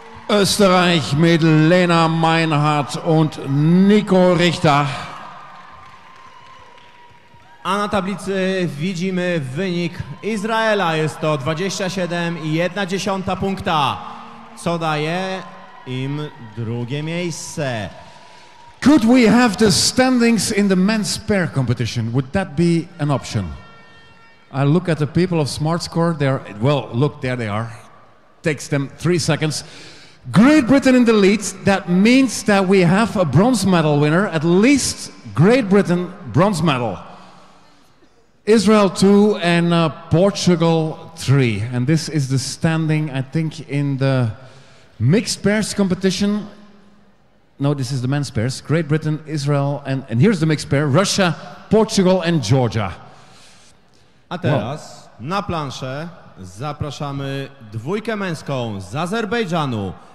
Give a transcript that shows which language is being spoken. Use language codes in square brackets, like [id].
[de] Österreich mit Lena Meinhardt und Nico Richter. [pl] A na tablicy widzimy wynik Izraela. Jest to 27,1 punkta, co daje im drugie miejsce. [en] Could we have the standings in the men's pair competition? Would that be an option? I look at the people of Smart Score. They're, well, look, there they are. Takes them 3 seconds. Great Britain in the lead. That means that we have a bronze medal winner. At least Great Britain bronze medal. Israel 2 and Portugal 3. And this is the standing, I think, in the mixed pairs competition. No, this is the men's pairs. Great Britain, Israel, and here's the mixed pair. Russia, Portugal and Georgia. [pl] A teraz na planszę zapraszamy dwójkę męską z Azerbejdżanu.